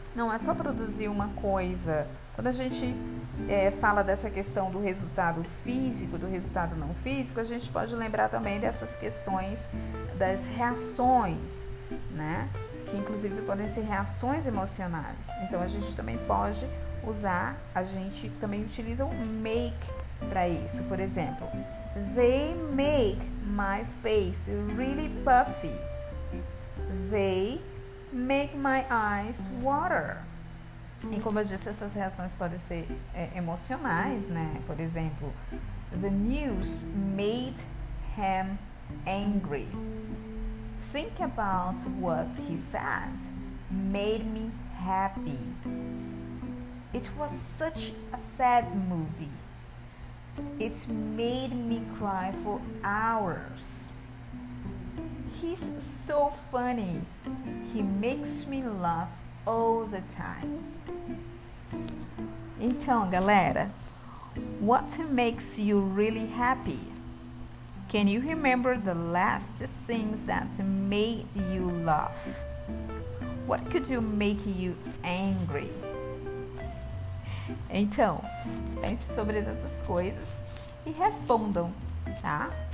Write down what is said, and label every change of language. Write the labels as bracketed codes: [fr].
[pt] Não é só produzir uma coisa. Quando a gente fala dessa questão do resultado físico, do resultado não físico, a gente pode lembrar também dessas questões das reações, né? Que inclusive podem ser reações emocionais. Então a gente também pode usar, a gente também utiliza o make para isso. Por exemplo, [en] they make my face really puffy. They make my eyes water. [pt] E como eu disse, essas reações podem ser emocionais, né? Por exemplo, [en] the news made him angry. Think about what he said. Made me happy. It was such a sad movie. It made me cry for hours. He's so funny. He makes me laugh all the time. [pt] Então, galera, [en] what makes you really happy? Can you remember the last things that made you laugh? What could you make you angry? [pt] Então, pense sobre essas coisas e respondam, tá?